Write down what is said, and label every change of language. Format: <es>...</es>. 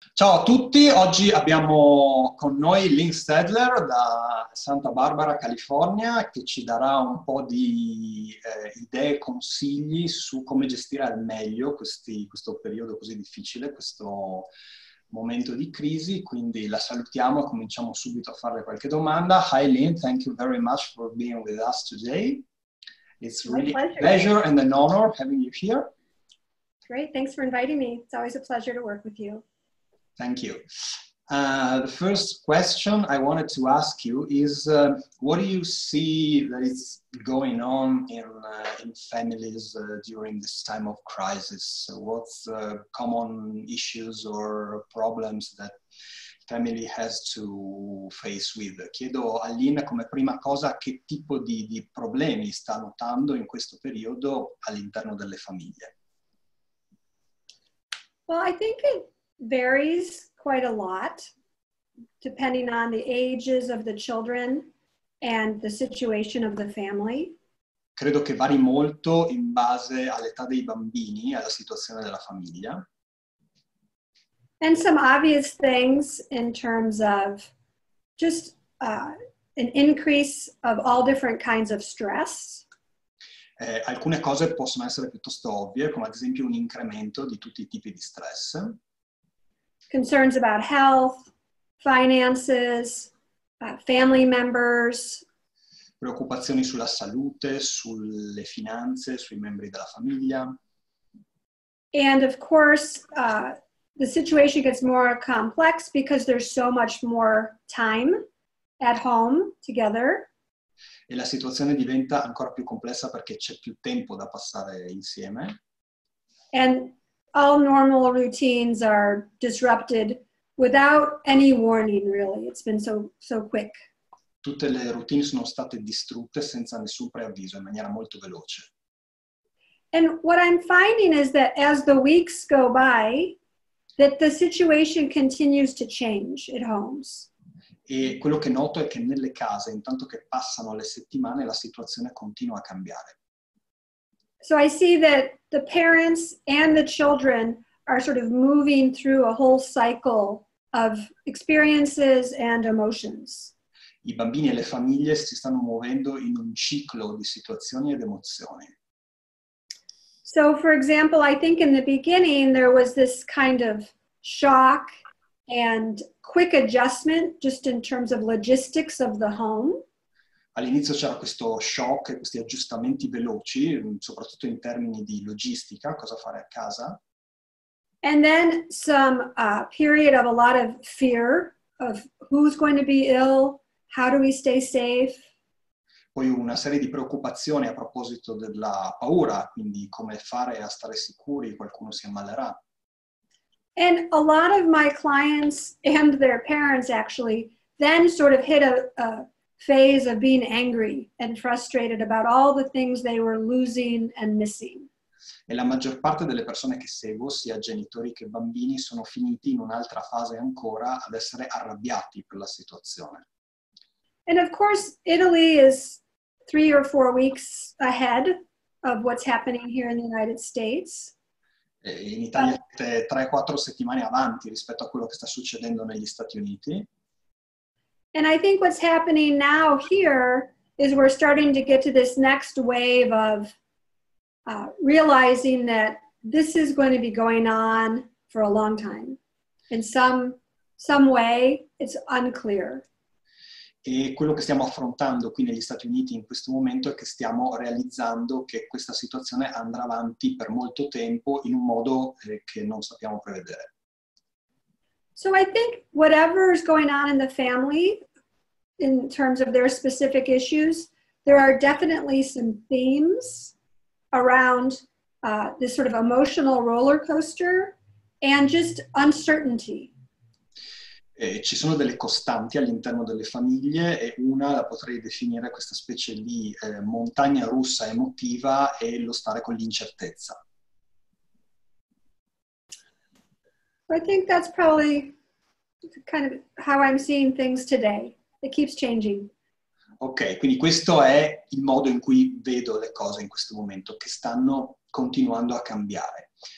<it>Ciao a tutti, oggi abbiamo con noi Lynn Stadler da Santa Barbara, California, che ci darà un po' di idee, consigli su come gestire al meglio questo periodo così difficile, questo momento di crisi. Quindi la salutiamo e cominciamo subito a farle qualche domanda.</it> <en>Hi Lynn, thank you very much for being with us today. It's My really a pleasure. pleasure and an honor having you here. Great, thanks for inviting me. It's always a pleasure to work with you. Thank you. The first question I wanted to ask you is, what do you see that is going on in families during this time of crisis? So what's the common issues or problems that family has to face with?</en> <it>Chiedo a Lynn come prima cosa che tipo di problemi sta notando in questo periodo all'interno delle famiglie.</it> <en>Well, I think it varies quite a lot depending on the ages of the children and the situation of the family.</en> <it>Credo che vari molto in base all'età dei bambini e alla situazione della famiglia.</it> <en>And some obvious things in terms of just an increase of all different kinds of stress.</en> <it>Alcune cose possono essere piuttosto ovvie, come ad esempio un incremento di tutti i tipi di stress.</it> <en>Concerns about health, finances, family members.</en> <it>Preoccupazioni sulla salute, sulle finanze, sui membri della famiglia.</it> <en>And of course, the situation gets more complex because there's so much more time at home together.</en> <it>E la situazione diventa ancora più complessa perché c'è più tempo da passare insieme.</it> <en>And all normal routines are disrupted without any warning, really. It's been so quick.</en> <it>Tutte le routine sono state distrutte senza nessun preavviso, in maniera molto veloce.</it> <en>And what I'm finding is that as the weeks go by, that the situation continues to change at homes.</en> <it>E quello che noto è che nelle case, intanto che passano le settimane, la situazione continua a cambiare.</it> <en>So I see that the parents and the children are sort of moving through a whole cycle of experiences and emotions.</en> <it>I bambini e le famiglie si stanno muovendo in un ciclo di situazioni ed emozioni.</it> <en>So, for example, I think in the beginning there was this kind of shock and quick adjustment just in terms of logistics of the home.</en> <it>All'inizio c'era questo shock, questi aggiustamenti veloci, soprattutto in termini di logistica, cosa fare a casa.</it> <en>And then some period of a lot of fear of who's going to be ill, how do we stay safe?</en> <it>Poi una serie di preoccupazioni a proposito della paura, quindi come fare a stare sicuri, qualcuno si ammalerà.</it> <en>And a lot of my clients and their parents actually then sort of hit a phase of being angry and frustrated about all the things they were losing and missing.</en> <it>E la maggior parte delle persone che seguo, sia genitori che bambini, sono finiti in un'altra fase ancora ad essere arrabbiati per la situazione.</it> <en>And of course, Italy is 3 or 4 weeks ahead of what's happening here in the United States.</en> <it>In Italia siete 3-4 settimane avanti rispetto a quello che sta succedendo negli Stati Uniti.</it> <en>And I think what's happening now here is we're starting to get to this next wave of realizing that this is going to be going on for a long time. In some way, it's unclear.</en> <it>E quello che stiamo affrontando qui negli Stati Uniti in questo momento è che stiamo realizzando che questa situazione andrà avanti per molto tempo in un modo che non sappiamo prevedere.</it> <en>So I think whatever is going on in the family, in terms of their specific issues, there are definitely some themes around this sort of emotional roller coaster and just uncertainty.</en> <it>Ci sono delle costanti all'interno delle famiglie e una la potrei definire questa specie di montagna russa emotiva e lo stare con l'incertezza.</it> <en>I think that's probably kind of how I'm seeing things today. It keeps changing.</en> <it>Ok, quindi questo è il modo in cui vedo le cose in questo momento, che stanno continuando a cambiare.</it>